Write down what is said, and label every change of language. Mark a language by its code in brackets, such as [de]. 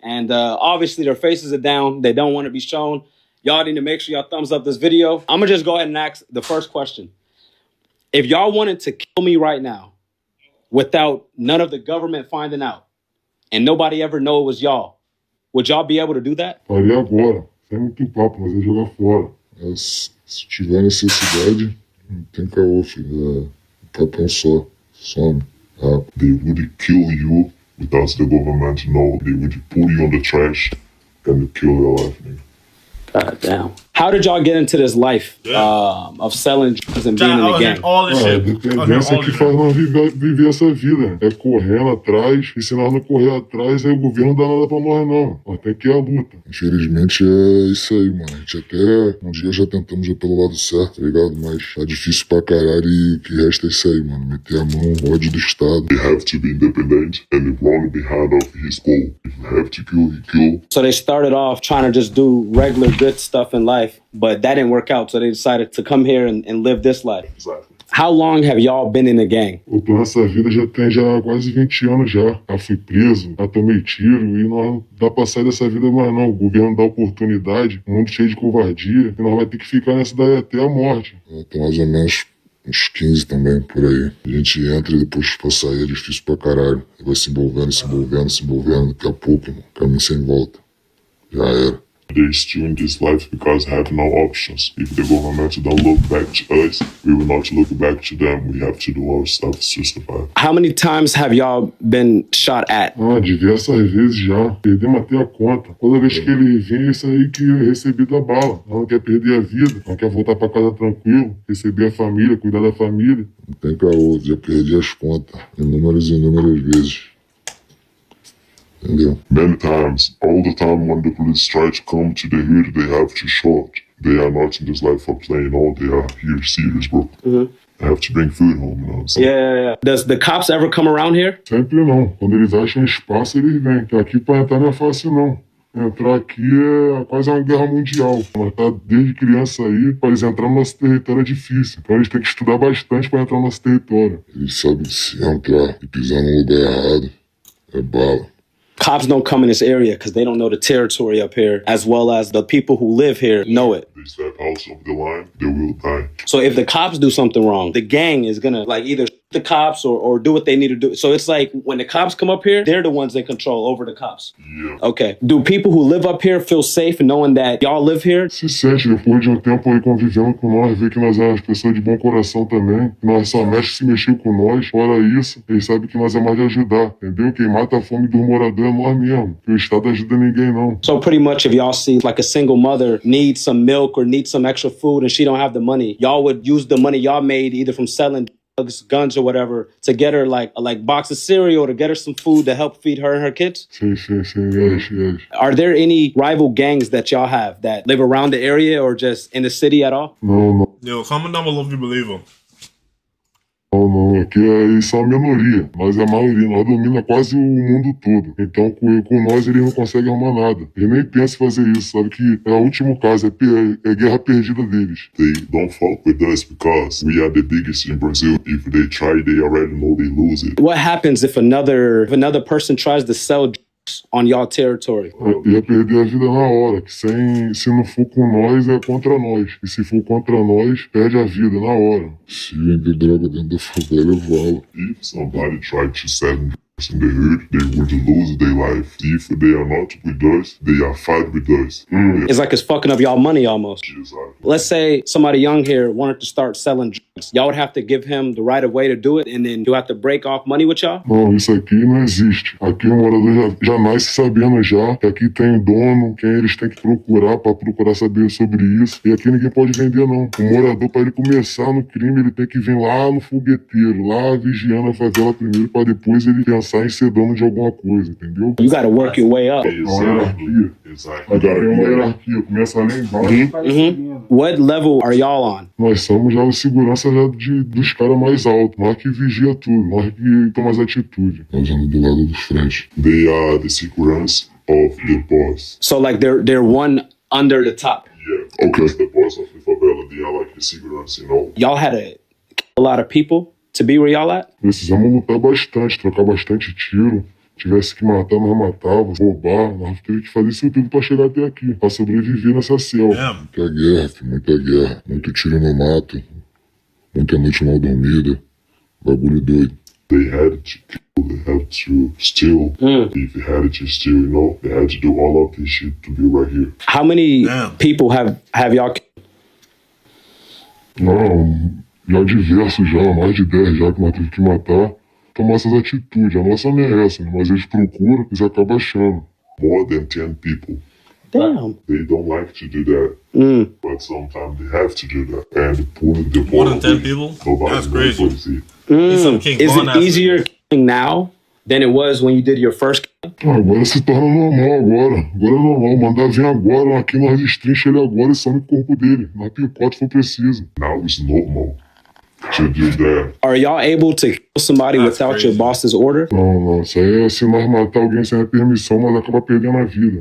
[en] And obviously their faces are down. They don't want to be shown. Y'all need to make sure y'all thumbs up this video. I'm gonna just go ahead and ask the first question. If y'all wanted to kill me right now without none of the government finding out and nobody ever know it was y'all, would y'all be able to do that? [pt] Tem muito papo, mas eu jogar fora. Mas se tiver necessidade, não tem caô, filho. O papo é só. Some. [en] They would kill you without the government know. They would put you on the trash and kill your life, man. Goddamn. How did y'all get into this life of selling drugs and being in the game? [pt] A tendência é que faz nós viver essa vida. É correndo atrás, e se nós não correr atrás, aí o governo não dá nada pra nós, não. Até que é a luta. Infelizmente é isso aí, mano. A gente até um dia já tentamos ir pelo lado certo, tá ligado? Mas tá difícil pra caralho e o que resta é isso aí, mano. Meter a mão, ódio do Estado. [en] They have to be independent and run behind of his goal. If they have to kill, he kill. So they started off trying to just do regular good stuff and life, but that didn't work out, so they decided to come here and live this life. Exactly. How long have y'all been in the gang? [pt] Eu tô nessa vida já tem já quase 20 anos já. Já fui preso, já tomei tiro e nós não dá pra sair dessa vida mais não. O governo dá oportunidade, um mundo cheio de covardia, e nós vai ter que ficar nessa daí até a morte. Tem mais ou menos uns 15 também, por aí. A gente entra e depois pra sair é difícil pra caralho. E vai se envolvendo, daqui a pouco, mano, caminho sem volta. Já era. [en] They're still in this life because have no options. If the government don't look back to us, we will not look back to them. We have to do our stuff to survive. How many times have y'all been shot at? [pt] Diversas vezes já. Perdemos até a conta. Toda vez que ele vem, isso aí que eu recebi da bala. Ela não quer perder a vida. Ela quer voltar pra casa tranquilo. Receber a família, cuidar da família. Não tem caô, já perdi as contas. Inúmeras e inúmeras vezes. Yeah. [en] Many times, all the time when the police try to come to the hood, they have to shoot. They are not in this life for playing, all they are here serious, bro. Mm-hmm. They have to bring food home, you know what I'm saying? Yeah. Does the cops ever come around here? [pt] Sempre não. Quando eles acham espaço, eles vêm. Aqui pra entrar não é fácil, não. Entrar aqui é quase uma guerra mundial. Mas tá desde criança aí, pra eles entrarem no nosso território é difícil. Então a gente tem que estudar bastante pra entrar no nosso território. Eles sabem se entrar e pisar no lugar errado, é bala. [en] Cops don't come in this area because they don't know the territory up here, as well as the people who live here know it. They step out of the line, they will die. So if the cops do something wrong, the gang is gonna like either shoot the cops or do what they need to do. So it's like when the cops come up here, they're the ones in control over the cops. Yeah. Okay. Do people who live up here feel safe knowing that y'all live here? [pt] Se sente depois de tempo aí convivendo com nós, vê que nós é as pessoas de bom coração também. Nós só mexe se mexeu com nós. Fora isso, eles sabem que nós é mais de ajudar. Entendeu? Quem mata a fome do morador é nós mesmo. Que o Estado ajuda ninguém não. [en] So pretty much, if y'all see like a single mother needs some milk or needs some extra food and she don't have the money, y'all would use the money y'all made either from selling drugs, guns or whatever to get her like a box of cereal to get her some food to help feed her and her kids? Yes. Are there any rival gangs that y'all have that live around the area or just in the city at all? No. Yo, comment down below if you believe them. [pt] Não, aqui é isso, é uma minoria. Nós é a maioria, nós domina quase o mundo todo. Então com nós eles não conseguem arrumar nada. Eles nem pensam em fazer isso, sabe que é o último caso, é guerra perdida deles. [en] They don't fuck with us because we are the biggest in Brazil. If they try, they already know they lose it. What happens if another person tries to sell drugs on your territory? [pt] Ia perder a vida na hora, que se não for com nós, é contra nós. E se for contra nós, perde a vida na hora. Se vender droga dentro da favela, eu vou. [en] If somebody tried to sell drugs is in the hood, they want to lose their life. If they are not with us, they are fight with us. It's like it's fucking up y'all money almost. Exactly. Let's say somebody young here wanted to start selling drugs. Y'all would have to give him the right of way to do it, and then you have to break off money with y'all? [pt] Não, isso aqui não existe. Aqui o morador já nasce sabendo já que aqui tem dono, quem eles têm que procurar para procurar saber sobre isso. E aqui ninguém pode vender, não. O morador, para ele começar no crime, ele tem que vir lá no fogueteiro, lá vigiando a favela primeiro, para depois ele pensar em ser dono de alguma coisa, entendeu? [en] You gotta work your way up. [pt] Exato. Exato. Agora tem uma hierarquia, começa lá embaixo. [en] Uh-huh. What level are y'all on? [pt] Nós somos já a segurança já dos caras mais altos. Nós que vigia tudo, nós que toma as atitudes. Nós andamos do lado do frente. [en] They are the segurança of the boss. So like they're one under the top? Yeah, okay. The boss of the favela, they are like the segurança, you know? Y'all had a lot of people to be where y'all at? [pt] Precisamos lutar bastante, trocar bastante tiro. Tivesse que matar, nós matava, roubar, nós teve que fazer isso tudo pra chegar até aqui, pra sobreviver nessa selva. Muita guerra, muita guerra, muito tiro no mato, muita noite mal dormida, bagulho doido. [en] They had to kill, they had to steal. If they had to steal, you know, they had to do all of this shit to be right here. How many people have y'all killed? [pt] Não, já diversos já, mais de 10 já que nós tivemos que matar. Tomar essas atitudes, a nossa não é essa, mas eles procuram, eles acabam achando. [en] More than 10 people. Damn. They don't like to do that. Mm. But sometimes they have to do that. And pull the more than 10 people? That's crazy. Is it easier killing now than it was when you did your first [pt] kill? Agora se torna normal agora. Agora é normal, mandar vir agora, aqui nós destrincha ele agora e some o corpo dele. Na picote for preciso. [en] Now it's normal. To do that. Are y'all able to kill somebody That's without crazy. Your boss's order? No, no. [pt] Isso aí é se nós matar alguém sem a permissão, nós acaba perdendo a vida.